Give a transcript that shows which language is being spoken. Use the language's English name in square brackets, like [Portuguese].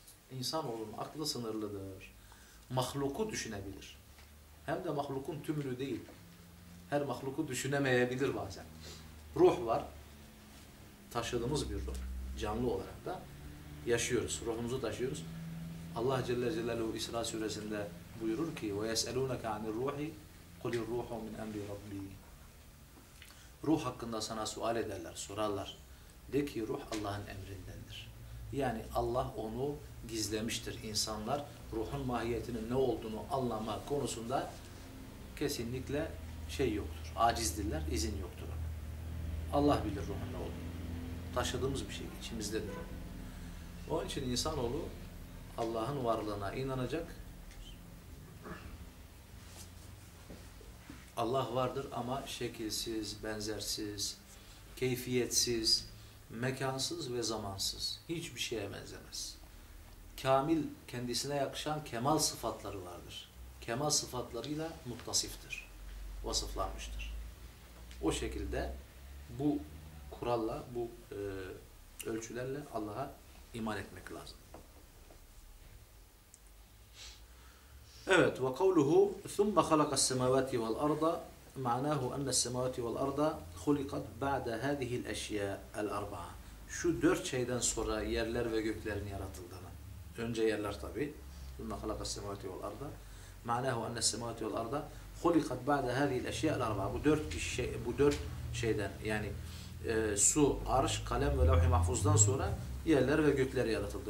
[Turkish] İnsanoğlunun aklı sınırlıdır. Mahluku düşünebilir. Hem de mahlukun tümünü değil. Her mahluku düşünemeyebilir bazen. Ruh var. Taşıdığımız bir ruh. Canlı olarak da yaşıyoruz. Ruhumuzu taşıyoruz. Allah Celle Celaluhu İsra suresinde buyurur ki [Arabic] وَيَسْأَلُونَكَ عَنِ الرُّوحِ قُلِ الرُّوحُ مِنْ اَمْرِ رَبِّي. [Turkish] Ruh hakkında sana sual ederler, sorarlar. De ki ruh Allah'ın emrindendir. Yani Allah onu gizlemiştir. İnsanlar ruhun mahiyetinin ne olduğunu anlama konusunda kesinlikle şey yoktur. Acizdirler, izin yoktur. Allah bilir ruhun ne olduğunu. Taşıdığımız bir şey içimizdedir. Onun için insanoğlu Allah'ın varlığına inanacak. Allah vardır ama şekilsiz, benzersiz, keyfiyetsiz, mekansız ve zamansız. Hiçbir şeye benzemez. Kamil, kendisine yakışan kemal sıfatları vardır. Kemal sıfatlarıyla muttasiftir. Vasıflanmıştır. O şekilde bu kuralla, bu ölçülerle Allah'a iman etmek lazım. Evet, ve kavluhu [Arabic] ثُمَّ خَلَقَ السَّمَاوَاتِ وَالْأَرْضَ مَعْنَاهُ أَنَّ السَّمَاوَاتِ وَالْأَرْضَ خُلِقَتْ بَعْدَ هَذِهِ الْأَشْيَاءَ الْأَرْبَعَ. [Turkish] Şu dört şeyden sonra yerler ve göklerin yaratıldığını. Önce yerler tabi. [Arabic] ثُمَّ خَلَقَ السَّمَاوَاتِ وَالْأَرْضَ مَعْنَاهُ أَنَّ السَّمَاوَاتِ وَالْأَرْضَ خُلِقَتْ بَعْدَ هَذِهِ الْأَشْيَاءَ الْأَرْبَعَ. [Turkish] Bu dört şeyden yani su, arş, kalem ve levh-i mahfuzdan sonra yerler ve gökler yaratıldı.